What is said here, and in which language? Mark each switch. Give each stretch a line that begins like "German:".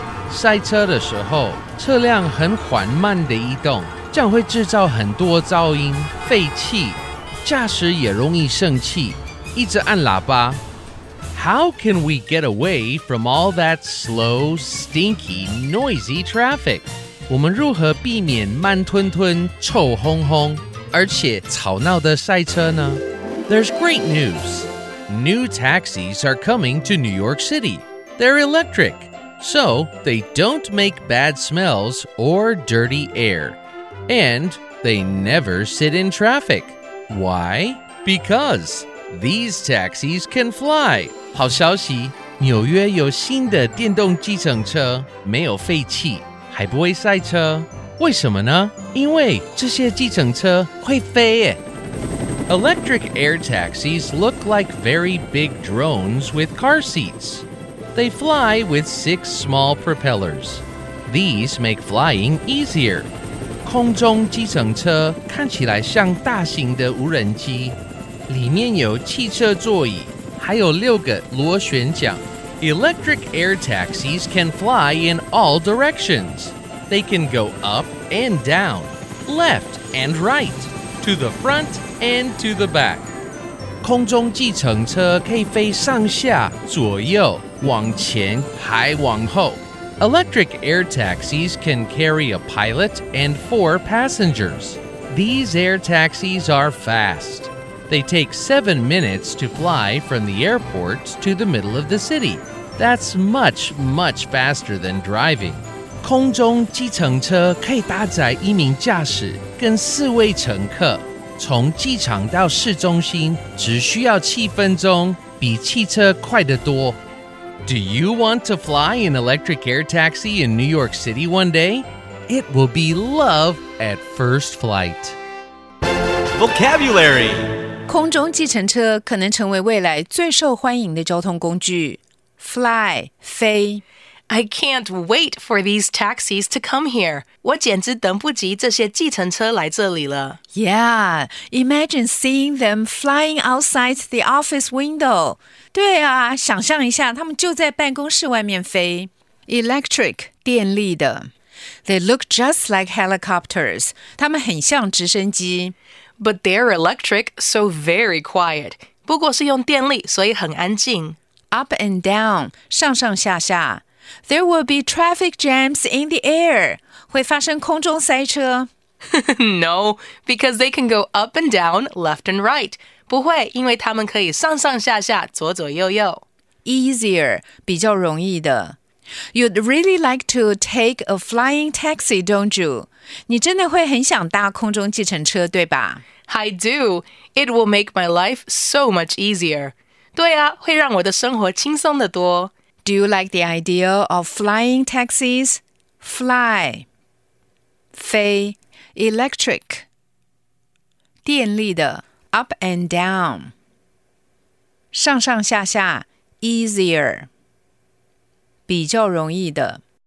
Chinese: 塞车的时候，车辆很缓慢地移动，这样会制造很多噪音、废气，驾驶也容易生气，一直按喇叭。
English: How can we get away from all that slow, stinky, noisy traffic?
Chinese: 我们如何避免慢吞吞、臭烘烘，而且吵闹的塞车呢？
English: There's great news. New taxis are coming to New York City. They're electric. So, they don't make bad smells or dirty air. And they never sit in traffic. Why? Because these taxis can fly.
Chinese: 好消息，纽约有新的电动计程车，没有废气，还不会塞车。为什么呢？因为这些计程车会飞耶。
English: Electric air taxis look like very big drones with car seats. They fly with six small propellers. These make flying easier.
Chinese: 空中计程车看起来像大型的无人机，里面有汽车座椅，还有六个螺旋桨。
English: Electric air taxis can fly in all directions. They can go up and down, left and right, to the front and to the back.
Chinese: 空中计程车可以飞上下、左右、往前还往后。
English: Electric air taxis can carry a pilot and four passengers. These air taxis are fast. They take 7 minutes to fly from the airport to the middle of the city. That's much, much faster than driving.
Chinese: 空中计程车可以搭载一名驾驶跟四位乘客。从机场到市中心只需要7分钟，比汽车快得多。
English: Do you want to fly an electric air taxi in New York City one day? It will be love at first flight. Vocabulary.
Chinese: 空中计程车可能成为未来最受欢迎的交通工具。
English: Fly, 飞。 I can't wait for these taxis to come here.
Chinese: 我简直等不及这些计程车来这里了。
English: Yeah, imagine seeing them flying outside the office window.
Chinese: 对啊，想象一下，他们就在办公室外面飞。
English: Electric, 电力的。They look just like helicopters.
Chinese: 他们很像直升机。
English: But they're electric, so very quiet.
Chinese: 不过是用电力，所以很安静。
English: Up and down, 上上下下。 There will be traffic jams in the air.
Chinese: 会发生空中塞车。
English: No, because they can go up and down, left and right.
Chinese: 不会，因为他们可以上上下下，左左右右。 Easier, 比较容易的。
English: You'd really like to take a flying taxi, don't you?
Chinese: 你真的会很想搭空中计程车，对吧？
English: I do. It will make my life so much easier.
Chinese: 对啊，会让我的生活轻松得多。
English: Do you like the idea of flying taxis? Fly, 飞, electric, 电力的, up and down, 上上下下, easier, 比较容易的。